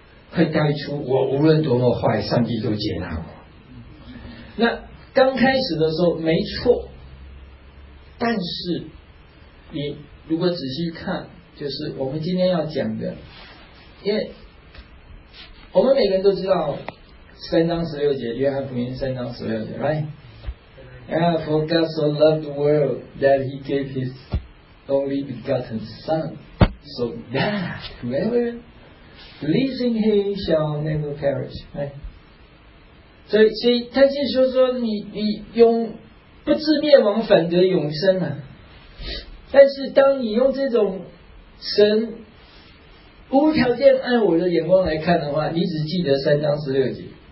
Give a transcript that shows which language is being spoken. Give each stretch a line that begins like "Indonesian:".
Chinese: 会带出我无论多么坏，上帝都接纳我。那刚开始的时候没错，但是你如果仔细看，就是我们今天要讲的，因为我们每个人都知道三章十六节，约翰福音三章十六节
English: right？ Yeah, for God so loved the world that he gave his only begotten son so that whoever believes in him shall never perish right？
Chinese: 所以他就说你用不自灭亡反得永生啊。但是当你用这种神无条件爱我的眼光来看的话，你只记得三章十六节。